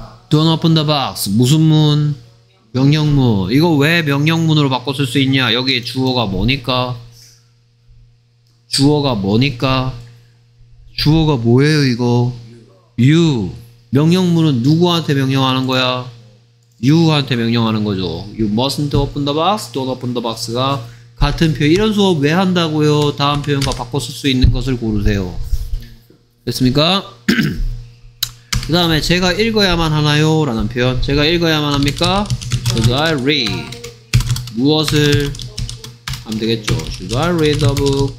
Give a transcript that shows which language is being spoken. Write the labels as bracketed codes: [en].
[en] Don't open the box. [ko] 무슨 문? 명령문. 이거 왜 명령문으로 바꿔 쓸 수 있냐? 여기에 주어가 뭐니까? 주어가 뭐니까? 주어가 뭐예요 이거? You. 명령문은 누구한테 명령하는 거야? You한테 명령하는 거죠. [en] You mustn't open the box, don't open the box가 [ko] 같은 표현. 이런 수업 왜 한다고요? 다음 표현과 바꿔 쓸 수 있는 것을 고르세요. 됐습니까? 그 다음에 제가 읽어야만 하나요? 라는 표현. 제가 읽어야만 합니까? [en] Should I read? [ko] 무엇을? 하면 되겠죠. [en] Should I read the book?